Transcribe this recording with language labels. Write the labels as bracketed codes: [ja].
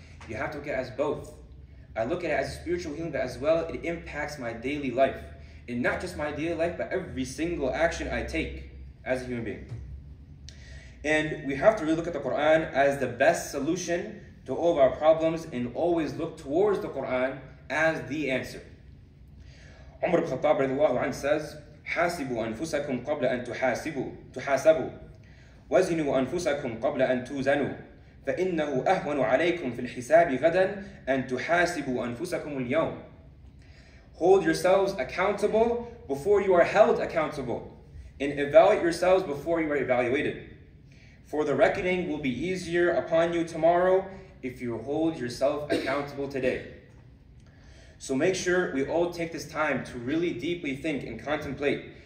[en] You have to look at it as both. I look at it as spiritual healing, but as well, it impacts my daily life. And not just my daily life, but every single action I take as a human being. And we have to really look at the Qur'an as the best solution to all of our problems and always look towards the Qur'an as the answer. [ar] Umar ibn Khattab radiallahu anhu says, حَاسِبُوا أَنفُسَكُمْ قَبْلَ أَن تُحَاسِبُوا وَزِنُوا أَنفُسَكُمْ قَبْلَ أَن تُوزَنُوا فَإِنَّهُ أَهْوَنُ عَلَيْكُمْ فِي الْحِسَابِ غَدًا أَن تُحَاسِبُوا أَنفُسَكُمْ الْيَوْمِ. [en] Hold yourselves accountable before you are held accountable and evaluate yourselves before you are evaluated. For the reckoning will be easier upon you tomorrow if you hold yourself accountable today. So make sure we all take this time to really deeply think and contemplate.